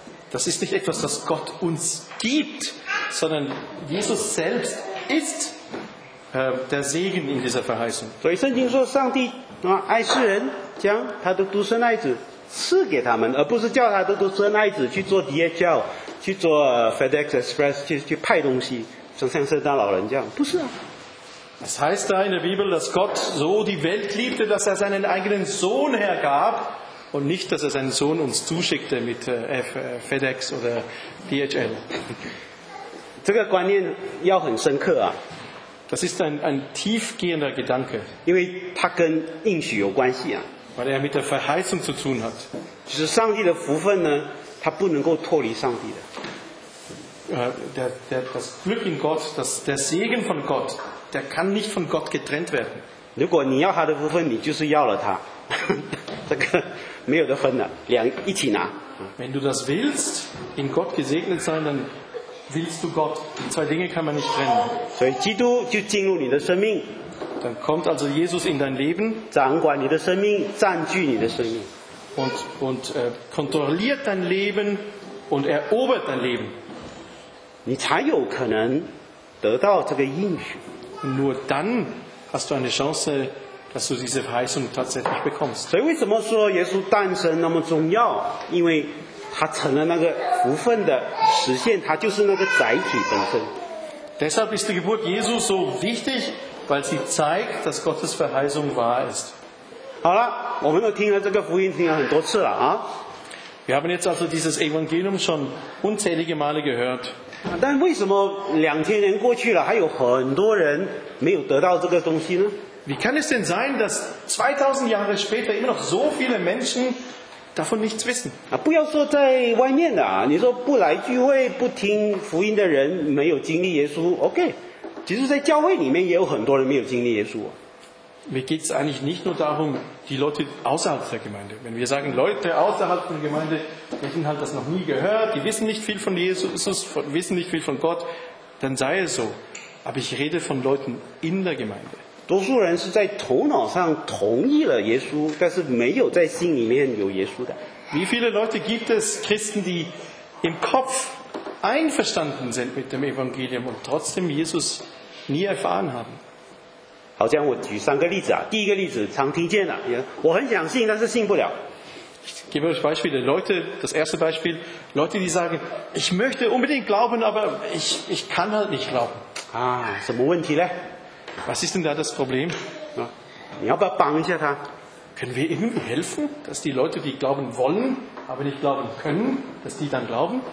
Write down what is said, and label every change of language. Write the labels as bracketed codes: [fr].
[de] Das ist nicht etwas, das Gott uns gibt, sondern Jesus selbst ist der Segen in dieser Verheißung. [zh] 所以圣经说上帝, 爱世人, 将他的独生爱子赐给他们，而不是叫他的独生爱子去做 DHL， 去做 FedEx Express， 去派东西，像圣诞老人这样，不是啊。 [de] Es heißt da in der Bibel, dass Gott so die Welt liebte, dass er seinen eigenen Sohn hergab und nicht, dass er seinen Sohn uns zuschickte mit FedEx oder DHL. [zh] 这个观念要很深刻啊。 [de] Das ist ein tiefgehender Gedanke. [zh] 因为它跟应许有关系啊。 [de] Weil er mit der Verheißung zu tun hat. [zh] 就是上帝的福分呢，它不能够脱离上帝的。 [de] Das Glück in Gott, der Segen von Gott, der kann nicht von Gott getrennt werden. [zh] 如果你要他的福分，你就是要了他。这个没有得分了，两一起拿。 [de] Wenn du das willst, in Gott gesegnet sein, dann willst du Gott. Die zwei Dinge kann man nicht trennen. [zh] 所以基督就进入你的生命。 [de] Dann kommt also Jesus in dein Leben. [zh] 掌管你的生命，占据你的生命。 [de] Und kontrolliert dein Leben und erobert dein Leben. [zh] 你才有可能得到这个应许。 [de] Nur dann hast du eine Chance, dass du diese Verheißung tatsächlich bekommst. [zh] 所以为什么说耶稣诞生那么重要？因为他成了那个福分的实现，他就是那个载体本身。 [de] Deshalb ist die Geburt Jesu so wichtig, weil sie zeigt, dass Gottes Verheißung wahr ist. [zh] 好了，我们都听了这个福音，听了很多次了啊。 [de] Wir haben jetzt also dieses Evangelium schon unzählige Male gehört. [zh] 但为什么两千年过去了，还有很多人没有得到这个东西呢？ [de] Wie kann es denn sein, dass 2000 Jahre später immer noch so viele Menschen davon nichts wissen? [zh] 不要说在外面的，你说不来聚会、不听福音的人没有经历耶稣 ，OK？其实，在教会里面也有很多人没有经历耶稣。 [de] Mir geht es eigentlich nicht nur darum, die Leute außerhalb der Gemeinde. Wenn wir sagen, Leute außerhalb der Gemeinde, die haben halt das noch nie gehört, die wissen nicht viel von Jesus, wissen nicht viel von Gott, dann sei es so. Aber ich rede von Leuten in der Gemeinde. [zh] 多数人是在头脑上同意了耶稣，但是没有在心里面有耶稣的。 [de] Wie viele Leute gibt es, Christen, die im Kopf einverstanden sind mit dem Evangelium und trotzdem Jesus nie erfahren haben? [zh] 好像我举三个例子啊。第一个例子常听见了，我很想信，但是信不了。 [de] Gebe euch Beispiele, Leute. Das erste Beispiel, Leute, die sagen, ich möchte unbedingt glauben, aber ich kann halt nicht glauben. [zh] 啊，什么问题呢？ [de] Was ist denn da das Problem? 啊， [zh] 你要不要帮一下他？ [de] Können wir ihm helfen, dass die Leute, die glauben wollen, aber nicht glauben können, dass die dann glauben?